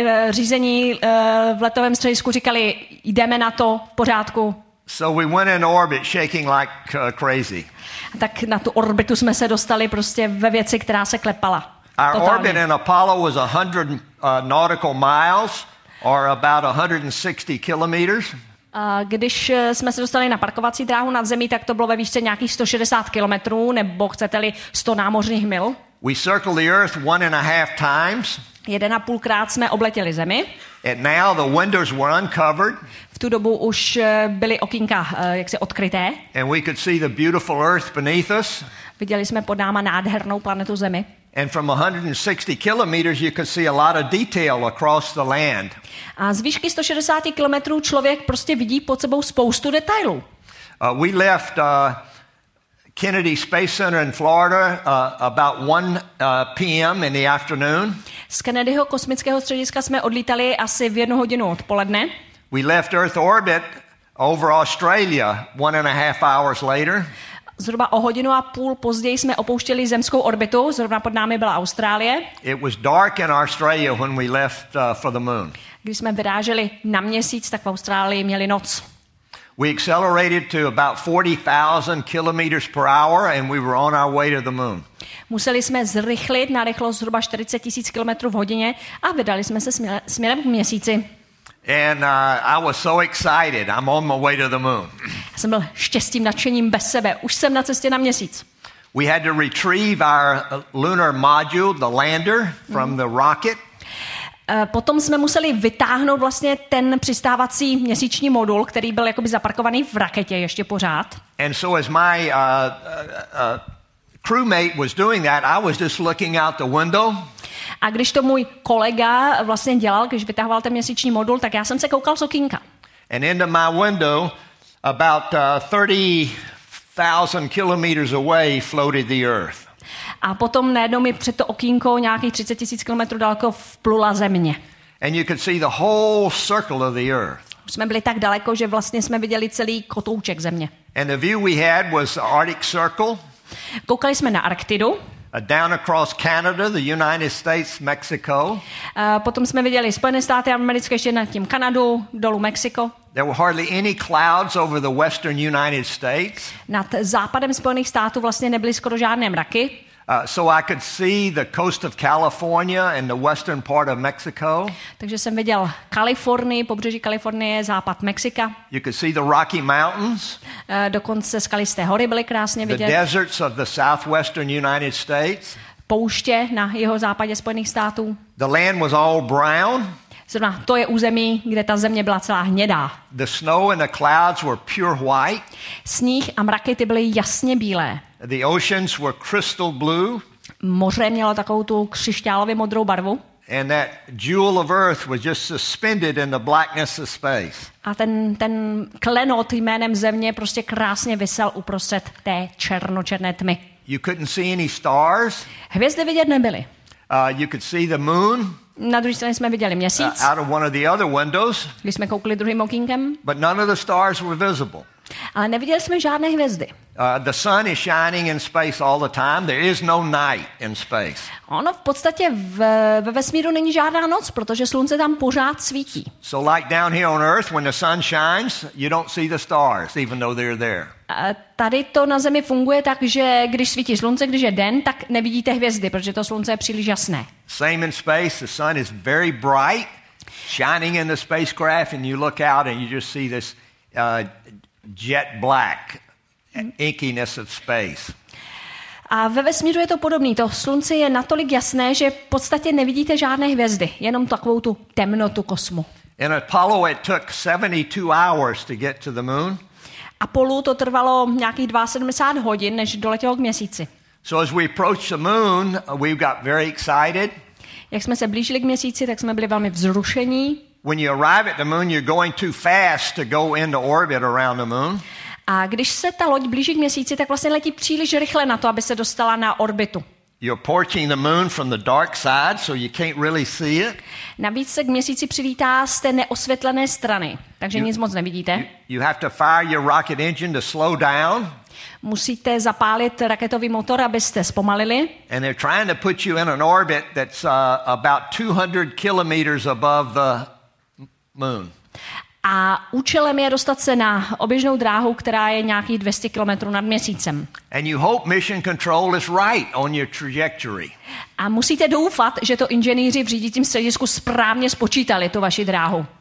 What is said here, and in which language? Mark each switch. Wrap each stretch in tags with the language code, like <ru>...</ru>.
<cs>Řízení v letovém středisku říkali, jdeme na to, v pořádku.</cs> <en>So we went in orbit shaking like crazy.</en> <cs>Tak na tu orbitu jsme se dostali prostě ve věci, která se klepala.</cs> <en>Our</en> <cs>totálně.</cs> <en>Orbit in Apollo was 100 nautical miles or about 160 kilometers.</en> <cs>Když jsme se dostali na parkovací dráhu nad zemí, tak to bylo ve výšce nějakých 160 kilometrů, nebo chcete-li 100 námořních mil.</cs> <en>We circled the Earth 1.5 times.</en> <cs>1.5krát jsme obletěli zemi.</cs> <en>And now the windows were uncovered.</en> <cs>V tu dobu už byly okýnka jaksi odkryté.</cs> <en>And we could see the beautiful Earth beneath us.</en> <cs>Viděli jsme pod náma nádhernou planetu Zemi.</cs> <en>And from 160 kilometers you could see a lot of detail across the land.</en> <cs>A z výšky 160 kilometrů člověk prostě vidí pod sebou spoustu detailů.</cs> <en>We left Kennedy Space Center in Florida about 1 p.m. in the afternoon.</en> <cs>Z Kennedyho kosmického střediska jsme odlítali asi v 1 hodinu odpoledne.</cs> <en>We left Earth orbit over Australia 1.5 hours later.</en> <cs>Zhruba o hodinu a půl později jsme opouštěli zemskou orbitu, zrovna pod námi byla Austrálie.</cs> <en>It was dark in Australia when we left for the moon.</en> <cs>Když jsme vyráželi na měsíc, tak v Austrálii měli noc.</cs> <en>We accelerated to about 40,000 kilometers per hour and we were on our way to the moon.</en> <cs>Museli jsme zrychlit na rychlost zhruba 40 000 kilometrů v hodině a vydali jsme se směrem k měsíci.</cs> <en>And I was so excited. I'm on my way to the moon.</en> <cs>Já jsem byl štěstím, nadšením bez sebe. Už jsem na cestě na měsíc.</cs> <en>We had to retrieve our lunar module, the lander, from the rocket.</en> <cs>Potom jsme museli vytáhnout vlastně ten přistávací měsíční modul, který byl jakoby zaparkovaný v raketě ještě pořád.</cs> <en>And so as my crewmate was doing that, I was just looking out the window.</en> <cs>A když to můj kolega vlastně dělal, když vytahoval ten měsíční modul, tak já jsem se koukal z okýnka.</cs> <en>And into my window, about 30,000 kilometers away, floated the Earth.</en> <cs>A potom najednou mi před to okýnko nějakých 30 000 kilometrů daleko vplula Země.</cs> <en>And you could see the whole circle of the Earth.</en> <cs>Už jsme byli tak daleko, že vlastně jsme viděli celý kotouček Země.</cs> <en>And the view we had was the Arctic Circle.</en> <cs>Koukali jsme na Arktidu.</cs> <en>Down across Canada, the United States, Mexico.</en> <cs>Potom jsme viděli Spojené státy americké, ještě nad tím Kanadu, dolů Mexiko.</cs> <en>There were hardly any clouds over the western United States.</en> <cs>Nad západem Spojených států vlastně nebyly skoro žádné mraky.</cs> <en>So I could see the coast of California and the western part of Mexico.</en> <cs>Takže jsem viděl Kalifornii, pobřeží Kalifornie, západ Mexika.</cs> <en>You could see the Rocky Mountains.</en> <cs>Dokonce skalisté hory byly krásně vidět.</cs> <en>The deserts of the southwestern United States.</en> <cs>Pouště na jeho západě Spojených států.</cs> <en>The land was all brown.</en> <cs>Zrovna to je území, kde ta země byla celá hnědá.</cs> <en>The snow and the clouds were pure white.</en> <cs>Sníh a mraky ty byly jasně bílé.</cs> <en>The oceans were crystal blue.</en> <cs>Moře mělo takovou tu křišťálově modrou barvu.</cs> <en>And that jewel of earth was just suspended in the blackness of space.</en> <cs>A ten klenot jménem Země prostě krásně visel uprostřed té černočerné tmy.</cs> <en>You couldn't see any stars.</en> <cs>Hvězdy vidět nebyly.</cs> <en>You could see the moon.</en> <cs>Na druhé straně jsme viděli měsíc.</cs> <en>Out of one of the other windows.</en> <cs>Když jsme koukli druhým okýnkem.</cs> <en>But none of the stars were visible.</en> <cs>Ale neviděli jsme žádné hvězdy.</cs> <en>The sun is shining in space all the time. There is no night in space.</en> <cs>Ono v podstatě ve vesmíru není žádná noc, protože slunce tam pořád svítí.</cs> <en>So like down here on Earth, when the sun shines, you don't see the stars, even though they're there.</en> <cs>Tady to na Zemi funguje tak, že když svítí slunce, když je den, tak nevidíte hvězdy, protože to slunce je příliš jasné.</cs> <en>Same in space, the sun is very bright, shining in the spacecraft, and you look out and you just see this jet black inkiness of space.</en> <cs>A ve vesmíru je to podobné. To slunce je natolik jasné, že v podstatě nevidíte žádné hvězdy, jenom takovou tu temnotu kosmu.</cs> <en>In Apollo it took 72 hours to get to the moon.</en> <cs>Apollo to trvalo nějakých 72 hodin, než doletělo k měsíci.</cs> <en>So as we approached the moon, we got very excited.</en> <cs>Jak jsme se blížili k měsíci, tak jsme byli velmi vzrušení.</cs> <en>When you arrive at the moon, you're going too fast to go into orbit around the moon.</en> <cs>A když se ta loď blíží k měsíci, tak vlastně letí příliš rychle na to, aby se dostala na orbitu.</cs> <en>You're approaching the moon from the dark side, so you can't really see it.</en> <cs>Navíc se k měsíci přilítá z té neosvětlené strany, takže nic moc nevidíte.</cs> <en>You have to fire your rocket engine to slow down.</en> <cs>Musíte zapálit raketový motor, abyste zpomalili.</cs> <en>And they're trying to put you in an orbit that's about 200 kilometers above the moon.</en> <cs>A účelem je dostat se na oběžnou dráhu, která je nějakých 200 kilometrů nad měsícem.</cs> <en>And you hope mission control is right on your trajectory.</en> <cs>A musíte doufat, že to inženýři v řídícím středisku správně spočítali tu vaši dráhu.</cs>